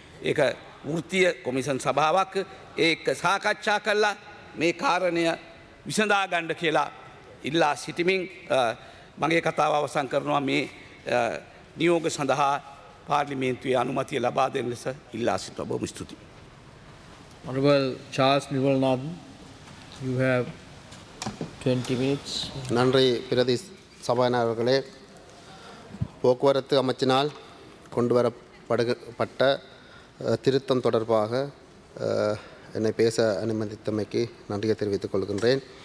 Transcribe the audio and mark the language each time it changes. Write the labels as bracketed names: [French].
[Sinhala] ඒක වෘත්තීය කොමිෂන් සභාවක්. ඒක සාකච්ඡා කළා මේ කාරණය විසඳා ගන්න කියලා ඉල්ලා සිටිමින් මගේ කතාව අවසන් කරනවා. මේ නියෝග සඳහා පාර්ලිමේන්තුවේ අනුමැතිය ලබා දෙන ලෙස ඉල්ලා සිටිනවා. බොහොම ස්තුතියි. [English] Honorable Charles Nivalnath, you have 20 minutes. [Tamil] நன்றி பிரதி சபாநாயகர்களே. போக்குவரத்து அமைச்சினால் கொண்டு வரப்பட்ட திருத்தம் தொடர்பாக என்னை பேச அனுமதித்தமைக்கு நன்றியை தெரிவித்துக் கொள்கின்றேன்.